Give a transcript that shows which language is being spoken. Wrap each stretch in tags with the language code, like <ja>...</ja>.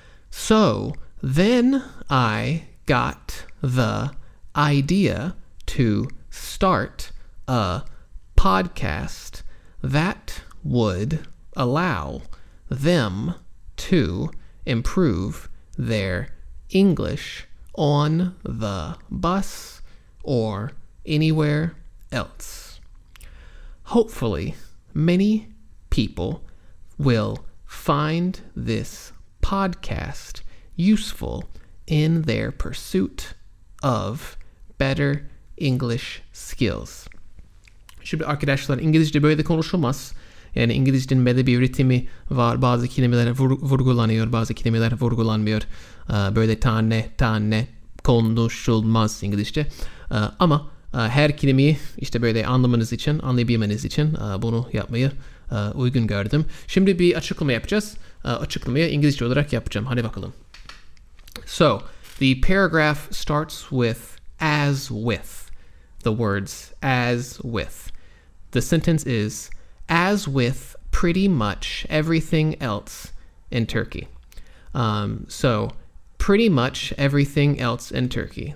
<en>So then I got the idea to start a podcast that would allow them to improve their English on the bus or anywhere else. Hopefully, many people will find this podcast useful in their pursuit of better English skills.</en> <tr>Şimdi arkadaşlar, İngilizce böyle de konuşulmaz. Yani İngilizcenin belli bir ritmi var. Bazı kelimeler vurgulanıyor, bazı kelimeler vurgulanmıyor. Böyle tane tane konuşulmaz İngilizce. Ama her kelimeyi işte böyle anlamanız için, anlayabilmeniz için bunu yapmayı uygun gördüm. Şimdi bir açıklama yapacağız. açıklamayı İngilizce olarak yapacağım. Hadi bakalım.</tr> <en>So, the paragraph starts with as with. The words as with. The sentence is as with pretty much everything else in Turkey. So, pretty much everything else in Turkey.</en>